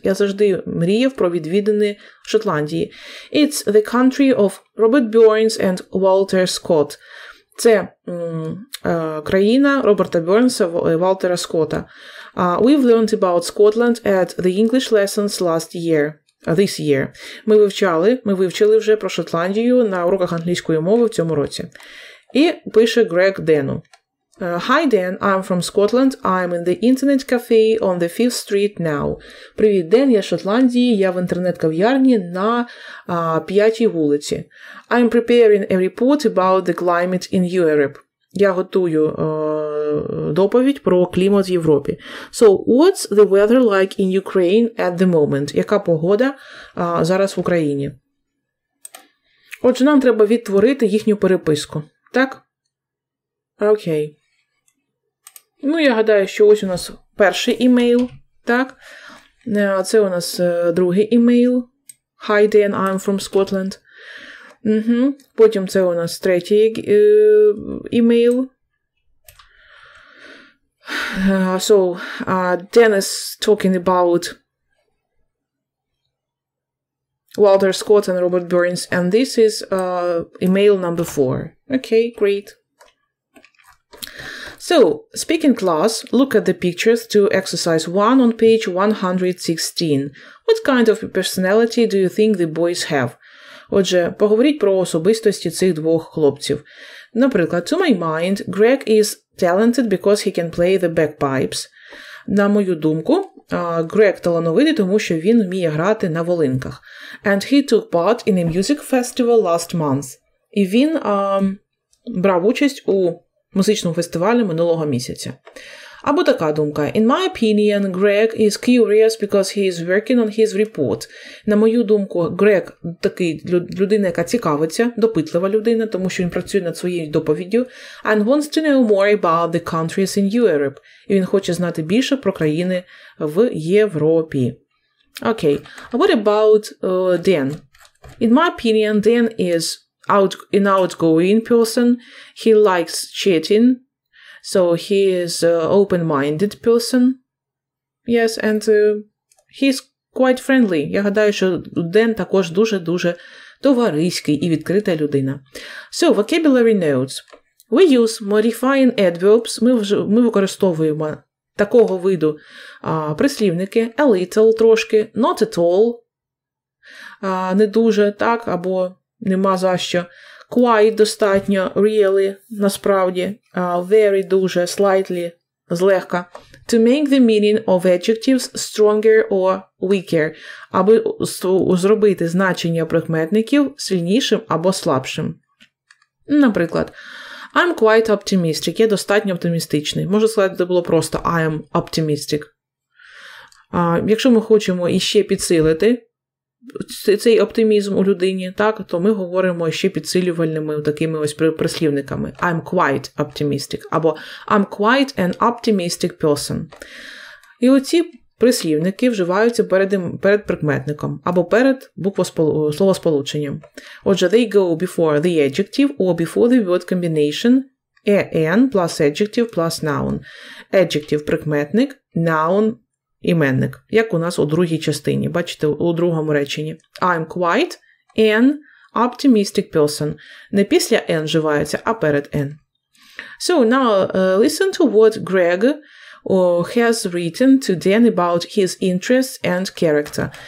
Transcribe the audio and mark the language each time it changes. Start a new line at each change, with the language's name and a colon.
Ukrainian: Я завжди мріяв про відвідини Шотландії.
English: It's the country of Robert Burns and Walter Scott.
Ukrainian: Це країна Роберта Бернса і Вальтера Скотта.
English: We've learned about Scotland at the English lessons last year. This year.
Ukrainian: Ми вивчили вже про Шотландію на уроках англійської мови в цьому році. І пише Грег Дену.
English: Hi, Dan. I'm from Scotland. I'm in the internet cafe on the 5th street now.
Ukrainian: Привіт, Ден. Я з Шотландії. Я в інтернет-кав'ярні на 5-й вулиці.
English: I'm preparing a report about the climate in Europe.
Ukrainian: Я готую доповідь про клімат в Європі.
English: So, what's the weather like in Ukraine at the moment?
Ukrainian: Яка погода зараз в Україні? Отже, нам треба відтворити їхню переписку. Так? Окей. Ну, я гадаю, що ось у нас перший імейл. Так? Це у нас другий імейл.
English: Hi, Dan, I'm from Scotland. Угу.
Ukrainian: Потім це у нас третій імейл.
English: Dan is talking about Walter Scott and Robert Burns, and this is email number 4. Okay, great. So, speak in class, look at the pictures to exercise 1 on page 116. What kind of personality do you think the boys have?
Ukrainian: Отже, поговоріть про особистості цих двох хлопців. Наприклад,
English: to my mind, Greg is talented because he can play the bagpipes.
Ukrainian: На мою думку, Грег талановитий, тому що він вміє грати на волинках.
English: And he took part in a music festival last month.
Ukrainian: І він брав участь у музичному фестивалі минулого місяця. Або така думка.
English: In my opinion, Greg is curious because he is working on his report.
Ukrainian: На мою думку, Грег такий людина, яка цікавиться, допитлива людина, тому що він працює над своєю доповіддю.
English: And wants to know more about the countries in Europe.
Ukrainian: І він хоче знати більше про країни в Європі.
English: Окей. Okay. What about Dan? In my opinion, Dan is an outgoing person. He likes chatting. So he is an open-minded person, yes, and he's quite friendly.
Ukrainian: Я гадаю, що Ден також дуже-дуже товариський і відкрита людина.
English: So, vocabulary notes. We use modifying adverbs.
Ukrainian: Ми використовуємо такого виду прислівники.
English: A little,
Ukrainian: трошки.
English: Not at all.
Ukrainian: Не дуже, так, або нема за що.
English: Quite,
Ukrainian: достатньо,
English: really,
Ukrainian: насправді,
English: very,
Ukrainian: дуже,
English: slightly,
Ukrainian: злегка.
English: To make the meaning of adjectives stronger or weaker.
Ukrainian: Аби зробити значення прикметників сильнішим або слабшим. Наприклад,
English: I'm quite optimistic.
Ukrainian: Я достатньо оптимістичний. Можу сказати, це було просто
English: I am optimistic.
Ukrainian: Якщо ми хочемо іще підсилити цей оптимізм у людині, так, то ми говоримо ще підсилювальними такими ось прислівниками.
English: I'm quite optimistic.
Ukrainian: Або
English: I'm quite an optimistic person.
Ukrainian: І оці прислівники вживаються перед прикметником. Або перед словосполученням. Отже,
English: they go before the adjective or before the word combination. An plus adjective plus noun.
Ukrainian: Adjective – прикметник, noun – іменник, як у нас у другій частині, бачите, у другому реченні.
English: I'm quite an optimistic person.
Ukrainian: Не після an вживається, а перед an.
English: So now listen to what Greg has written to Dan about his interests and character.